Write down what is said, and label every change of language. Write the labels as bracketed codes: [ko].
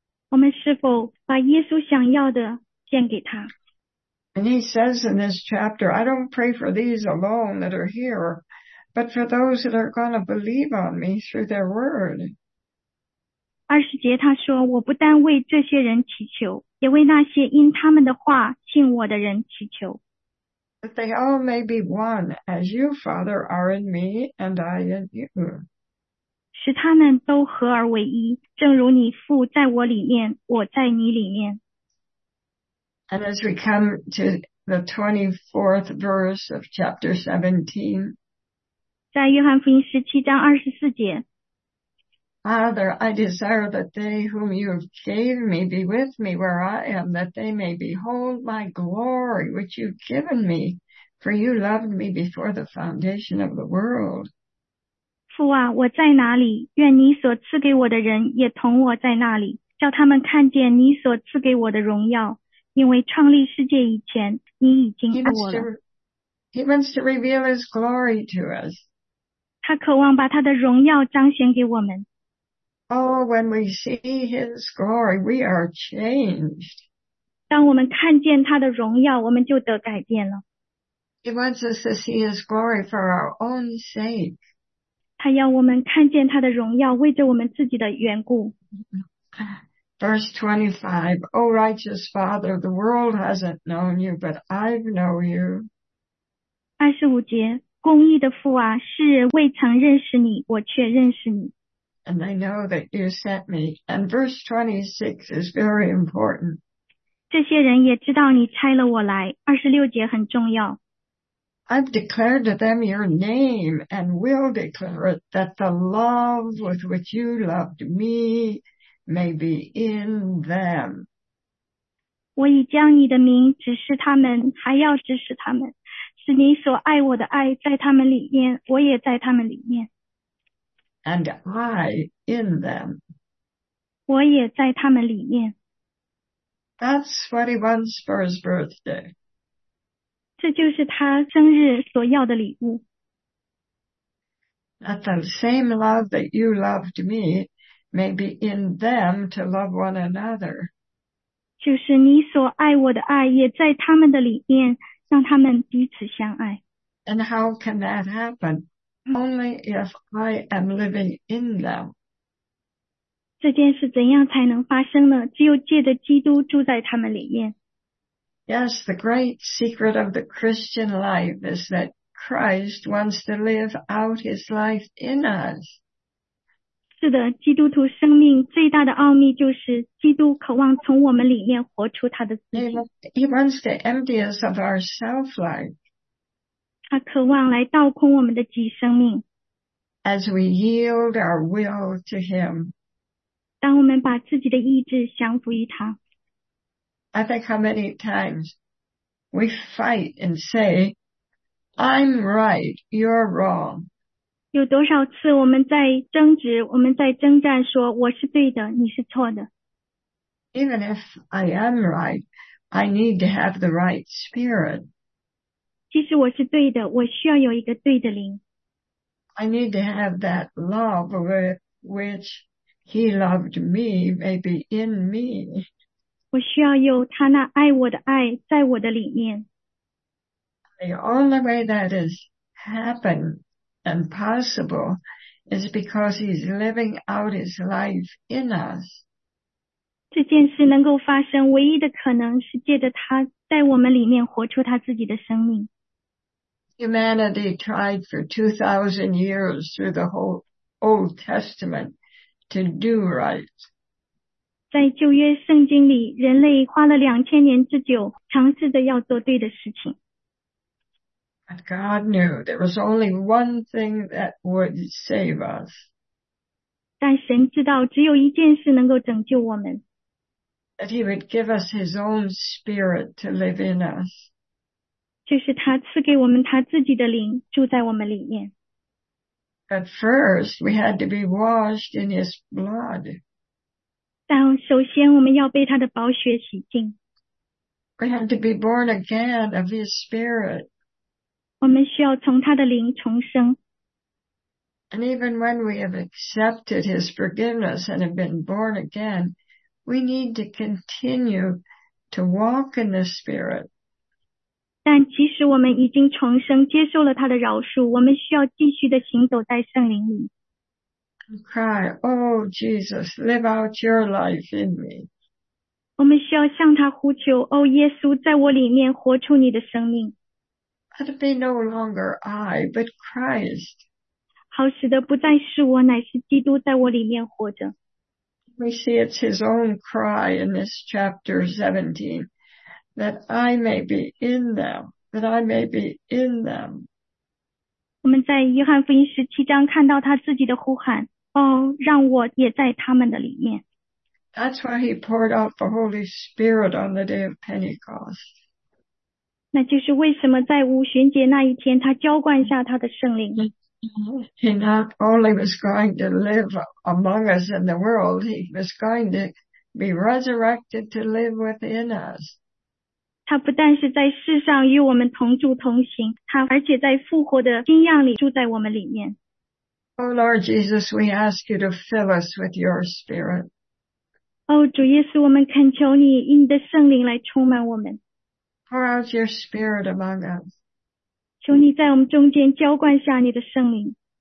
[zh] 我们是否把耶稣想要的献给他？ [en] And he says in this chapter, I don't pray for these alone that are here, but for those that are going to believe on me through their word. [zh] 二十节他说，我不单为这些人祈求，也为那些因他们的话信我的人祈求。 [en] That they all may be one, as you, Father, are in me, and I in you. [zh] 使他们都合而为一，正如你父在我里面，我在你里面。 [en] And as we come to the 24th verse of chapter 17, [zh] 在约翰福音十七章二十四节。 [en] Father, I desire that they whom you have gave me be with me where I am, that they may behold my glory which you've given me, for you loved me before the foundation of the world. [zh] 父啊，我在哪里，愿你所赐给我的人也同我在那里，叫他们看见你所赐给我的荣耀，因为创立世界以前，你已经爱我了。 [en] He wants to reveal his glory to us. [zh] 他渴望把他的荣耀彰显给我们。 [en] Oh, when we see his glory, we are changed. [zh] 当我们看见他的荣耀，我们就得改变了。 [en] He wants us to see his glory for our own sake. [zh] 他要我们看见他的荣耀，为着我们自己的缘故。 [en] Verse 25, O righteous Father, the world hasn't known you, but I know you. [zh] 25节，公义的父啊，世人未曾认识你，我却认识你。 [en] And they know that you sent me. And verse 26 is very important. [zh] 这些人也知道你差了我来。 26节很重要。 [en] I've declared to them your name and will declare it, that the love with which you loved me may be in them. [zh] 我已将你的名指示他们，还要指示他们，使你所爱我的爱在他们里面，我也在他们里面。 [en] And I in them. [zh] 我也在他们里面。 [en] That's what he wants for his birthday. [zh] 这就是他生日所要的礼物。 [en] That the same love that you loved me may be in them to love one another. [zh] 就是你所爱我的爱也在他们的里面，让他们彼此相爱。 [en] And how can that happen? Only if I am living in them. [zh] 这件事怎样才能发生呢？只有借着基督住在他们里面。 [en] Yes, the great secret of the Christian life is that Christ wants to live out his life in us. [zh] 是的，基督徒生命最大的奥秘就是基督渴望从我们里面活出他的自己。 [en] He wants to empty us of our self-life. [zh] 他渴望来倒空我们的己生命。 [en] As we yield our will to him. [zh] 当我们把自己的意志降服于他。 [en] I think how many times we fight and say, I'm right, you're wrong. [zh] 有多少次我们在争执，我们在征战，说我是对的，你是错的。 [en] Even if I am right, I need to have the right spirit. [zh] 即使我是对的，我需要有一个对的灵。 [en] I need to have that love with which he loved me, maybe in me. [zh] 我需要有他那爱我的爱在我的里面。 [en] The only way that has happened and possible is because he's living out his life in us. [zh] 这件事能够发生，唯一的可能是借着他在我们里面活出他自己的生命。 [en] Humanity tried for 2,000 years through the whole Old Testament to do right. [zh] 在旧约圣经里，人类花了2000年之久，尝试着要做对的事情。 [en] But God knew there was only one thing that would save us. [zh] 但神知道只有一件事能够拯救我们。 [en] That he would give us his own spirit to live in us. [zh] 就是他赐给我们他自己的灵住在我们里面。 [en] But first, we had to be washed in his blood. [zh] 但首先我们要被他的宝血洗净。 [en] We had to be born again of his spirit. [zh] 我们需要从他的灵重生。 [en] And even when we have accepted his forgiveness and have been born again, we need to continue to walk in the Spirit. [zh] 但即使我们已经重生，接受了他的饶恕，我们需要继续的行走在圣灵里。 [en] And cry, Oh Jesus, live out your life in me. [zh] 我们需要向他呼求，哦耶稣，在我里面活出你的生命。 [en] Let it be no longer I, but Christ. [zh] 好使得不再是我，乃是基督在我里面活着。 [en] We see it's his own cry in this chapter 17, that I may be in them, that I may be in them. [zh] 我们在约翰福音十七章看到他自己的呼喊，哦，让我也在他们的里面。 [en] That's why he poured out the Holy Spirit on the day of Pentecost. [zh] 那就是为什么在五旬节那一天他浇灌下他的圣灵。 [en] He not only was going to live among us in the world, he was going to be resurrected to live within us. [zh] 他不但是在世上与我们同住同行，他而且在复活的新样里住在我们里面。 [en] Oh Lord Jesus, we ask you to fill us with your Spirit. [zh] 哦，主耶稣，我们恳求你以你的圣灵来充满我们。 [en] Pour out your Spirit among us. [zh] 求你在我们中间浇灌下你的圣灵。